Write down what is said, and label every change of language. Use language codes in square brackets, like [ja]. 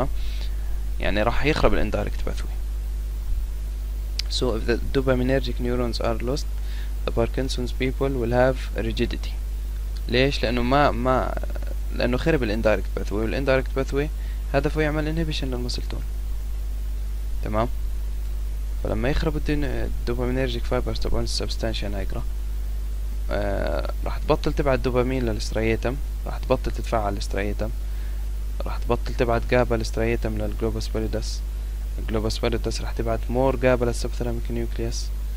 [ar] تمام؟ يعني راح يخرب الاندايركت باثوي. [en] So if the dopaminergic neurons are lost the Parkinson's people will have rigidity. [ar] ليش؟ لانه ما لانه خرب الاندايركت باثوي، والاندايركت باثوي هدفه يعمل انهبيشن للمسل تون. تمام؟ فلما يخرب الدوبامينرجيك فايبرز تبعون السبستانشيا نيجرا راح تبطل تبعت دوبامين للاسترياتم، راح تبطل تتفعل الاسترياتم، راح تبطل تبعت جابا الاسترياتم للجلوبوس باليدس، الجلوبوس باليدس راح تبعت مور جابا للسبثلاميك نيوكليس.